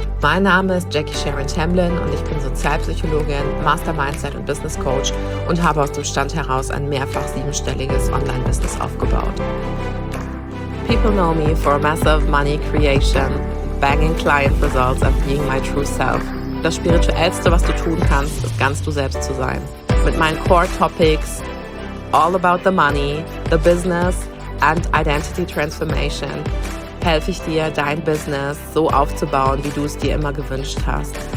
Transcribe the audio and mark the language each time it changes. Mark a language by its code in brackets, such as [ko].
[de] Mein Name ist Jackie Sharon Tamblyn und ich bin Sozialpsychologin, Master Mindset und Business Coach und habe aus dem Stand heraus ein mehrfach siebenstelliges Online-Business aufgebaut. [en] People know me for massive money creation, banging client results and being my true self. [de] Das Spirituellste, was du tun kannst, ist ganz du selbst zu sein. Mit meinen Core Topics, [en] all about the money, the business and identity transformation, [de] helfe ich dir, dein Business so aufzubauen, wie du es dir immer gewünscht hast.